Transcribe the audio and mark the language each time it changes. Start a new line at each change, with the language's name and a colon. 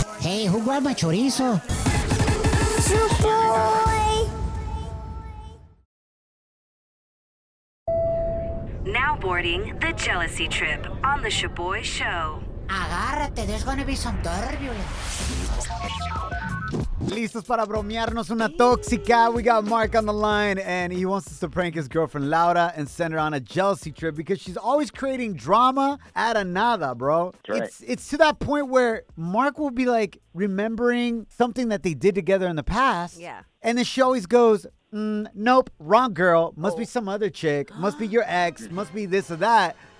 English: Hey, who grabbed my chorizo? Shaboy. Now boarding the Jealousy Trip on the Shaboy Show.
Spanish: Agárrate,
English: there's gonna be some turbulence.
Spanish: Listos para bromearnos una tóxica.
English: We got Mark on the line, and he wants us to prank his girlfriend Laura and send her on a jealousy trip because she's always creating drama out of nada, bro. That's right. It's to that point where Mark will be like remembering something that they did together in the past. Yeah. And then she always goes, nope, wrong girl, must be some other chick, must be your ex, must be this or that.